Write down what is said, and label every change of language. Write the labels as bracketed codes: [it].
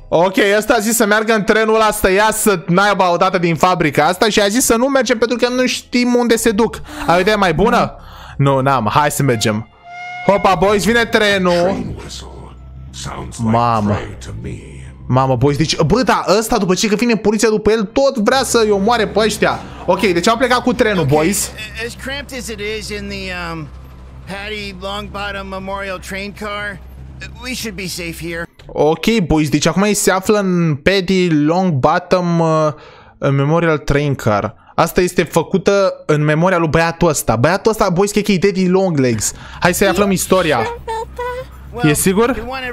[ro] Ok, ăsta a zis să meargă în trenul ăla, să iasă naiba odată din fabrica asta și a zis să nu mergem pentru că nu știm unde se duc. Ai o idee mai bună? Nu, n-am. Hai să mergem. Hopa, boys, vine trenul. Mamă. Mamă, boys, deci, bă, da, ăsta după ce că vine poliția după el, tot vrea să îi omoare pe ăștia. Ok, deci am plecat cu trenul, boys. [en] As cramped as it is in the, Patty Longbottom Memorial train car, we should be safe here. [ro] Ok, boys, deci acum ei se află în Patty Longbottom Memorial Train Car. Asta este făcută în memoria lui băiatul ăsta. Băiatul ăsta, boys, că e Daddy Longlegs. Hai să-i aflăm istoria. E sigur?